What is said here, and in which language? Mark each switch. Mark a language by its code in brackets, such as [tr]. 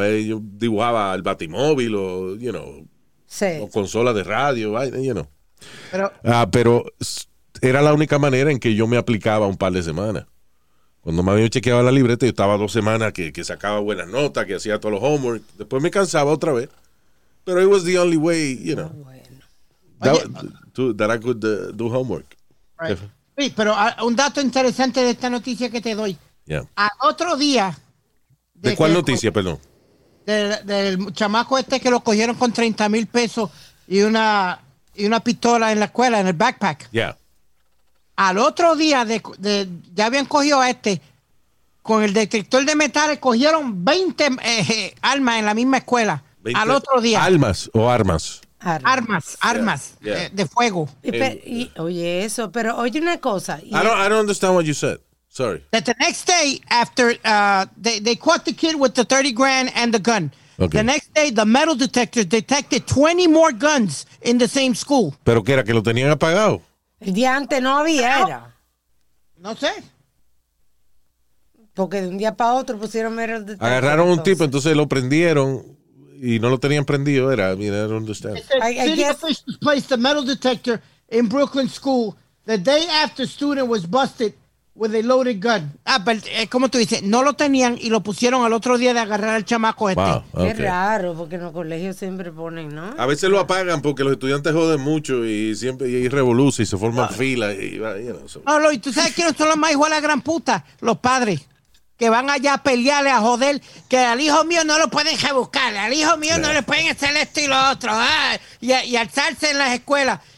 [es] Yo dibujaba el batimóvil o, you know, sí, o consola de radio, you know. Pero era la única manera en que yo me aplicaba un par de semanas. Cuando me había chequeado la libreta, yo estaba 2 semanas que sacaba buenas notas, que hacía todos los homework. Después me cansaba otra vez. [en] Pero it was the only way, you know. [es] Oh, bueno. [en] That I could do homework. Right. [es] Sí, pero un dato interesante de esta noticia que te doy. Yeah. Al otro día... ¿De cuál noticia, perdón? Del chamaco este que lo cogieron con 30 mil pesos y una pistola en la escuela, en el backpack. Ya. Yeah. Al otro día, ya habían cogido a este, con el detector de metales, cogieron 20 armas en la misma escuela. Al otro día. ¿Almas o armas? Armas yeah, yeah. De fuego. Pero oye una cosa. [en] I don't understand what you said. Sorry. That the next day after they caught the kid with the 30 grand and the gun. Okay. The next day the metal detector detected 20 more guns in the same school. [es] ¿Pero qué era? ¿Que lo tenían apagado? El día antes no había. No, no sé. Porque de un día para otro pusieron metal detector. Agarraron un tipo, entonces lo prendieron y no lo tenían prendido. Era, mira, [en] I don't understand. City officials placed the metal detector in Brooklyn School the day after student was busted with a loaded gun. [es] ¿Cómo tú dices? No lo tenían y lo pusieron al otro día de agarrar al chamaco este. Wow, okay. Qué raro, porque en los colegios siempre ponen, ¿no? A veces lo apagan porque los estudiantes joden mucho y siempre hay revolución y se forman filas. Y tú sabes quiénes son los más hijos de la gran puta. Los padres, que van allá a pelearle, a joder, que al hijo mío no lo pueden rebuscar, al hijo mío no le pueden hacer esto y lo otro, y alzarse en las escuelas.